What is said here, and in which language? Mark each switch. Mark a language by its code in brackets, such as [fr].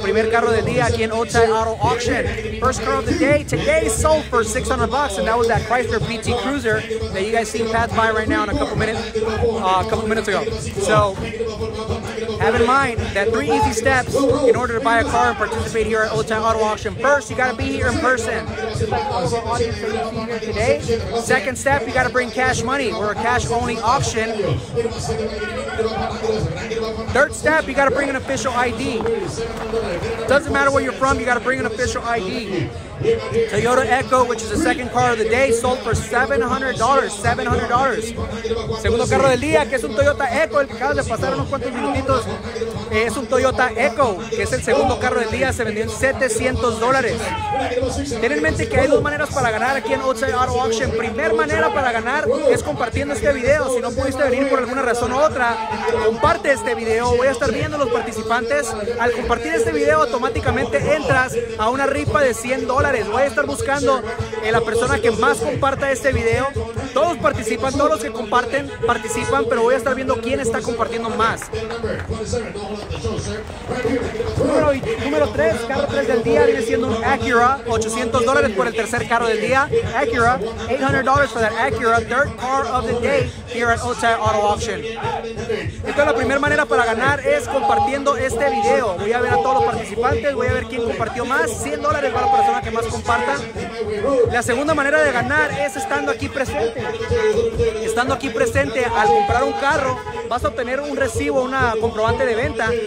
[es] Primer carro del día aquí en Otay Auto Auction. [en] First car of the day, today sold for $600. And that was that Chrysler PT Cruiser that you guys seen pass by right now in a couple minutes ago. So have in mind that three easy steps in order to buy a car and participate here at Otay Auto Auction. First, you got to be here in person. Today. Second step, you got to bring cash money. We're a cash-only auction. Third step, you got to bring an official ID. Doesn't matter where you're from, you got to bring an official ID. Toyota Echo, which is the second car of the day, sold for $700. $700. [es] Segundo carro del día, que es un Toyota Echo, el que acaba de pasar unos cuantos minutitos. Es un Toyota Echo, que es el segundo carro del día, se vendió en $700. Ten en mente que hay dos maneras para ganar aquí en Otay Auto Auction. Primera manera para ganar es compartiendo este video. Si no pudiste venir por alguna razón u otra, comparte este video. Voy a estar viendo a los participantes. Al compartir este video, automáticamente entras a una rifa de $100. Voy a estar buscando a la persona que más comparta este video. Todos participan, todos los que comparten participan, pero voy a estar viendo quién está compartiendo más. Número 3, carro 3 del día, viene siendo un Acura, $800 por el tercer carro del día. [en] Acura, $800 for that Acura, third car of the day here at Otay Auto Auction. [es] Entonces la primera manera para ganar es compartiendo este video. Voy a ver a todos los participantes, voy a ver quién compartió más. $100 para la persona que más comparta. La segunda manera de ganar es estando aquí presente. Estando aquí presente, al comprar un carro, vas a obtener un recibo, una comprobante de venta.